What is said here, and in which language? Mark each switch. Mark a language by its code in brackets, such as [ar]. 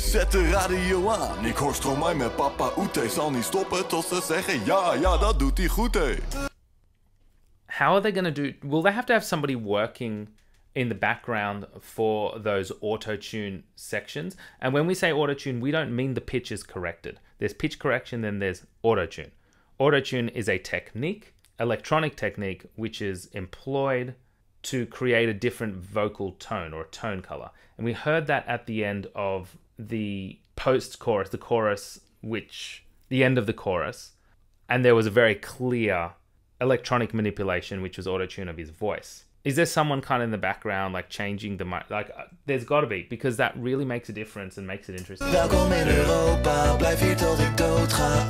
[nl] De radio aan, ik hoor Stromae met papa Ute. Zal niet stoppen tot ze zeggen ja, ja, dat doet hij goed, hé. [en] How are they gonna do? Will they have to have somebody working in the background for those auto-tune sections? And when we say auto-tune, we don't mean the pitch is corrected. There's pitch correction, then there's auto-tune. Auto-tune is a technique, electronic technique, which is employed to create a different vocal tone or a tone color. And we heard that at the end of the post-chorus, the chorus, which the end of the chorus, and there was a very clear electronic manipulation, which was auto-tune of his voice. Is there someone kind of in the background, like changing the mic? Like, there's got to be, because that really makes a difference and makes it interesting. [nl] Welkom in Europa, blijf hier tot ik dood ga.